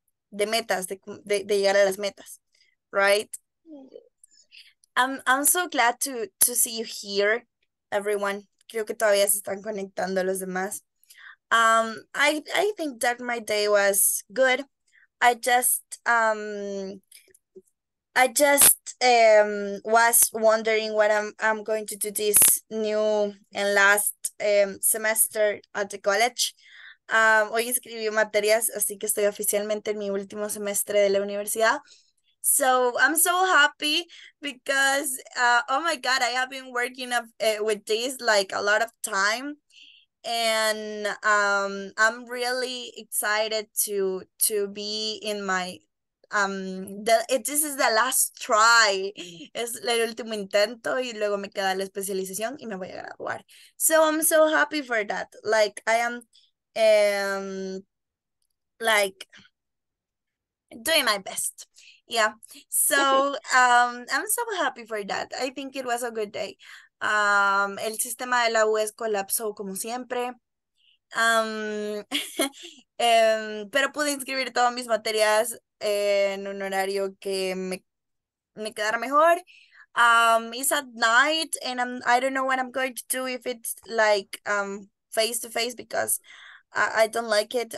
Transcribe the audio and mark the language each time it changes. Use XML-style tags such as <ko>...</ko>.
<es>de metas, de llegar a las metas, right?</es> <en>I'm so glad to see you here, everyone.</en> <es>Creo que todavía se están conectando los demás.</es> <en>I think that my day was good. I just was wondering what I'm going to do this new and last semester at the college.</en> <es>Hoy inscribí materias, así que estoy oficialmente en mi último semestre de la universidad.</es> <en>So I'm so happy because, oh my God, I have been working up, with this like a lot of time. And I'm really excited to be in my, this is the last try.</en> <es>Es el último intento y luego me queda la especialización y me voy a graduar.</es> <en>So I'm so happy for that. Like, I am. Like doing my best. Yeah. So I'm so happy for that. I think it was a good day.</en> <es>El sistema de la US colapsó como siempre. pero pude inscribir todas mis materias en un horario que me quedara mejor.</es> <en>It's at night and I don't know what I'm going to do if it's like face to face because I don't like it.</en>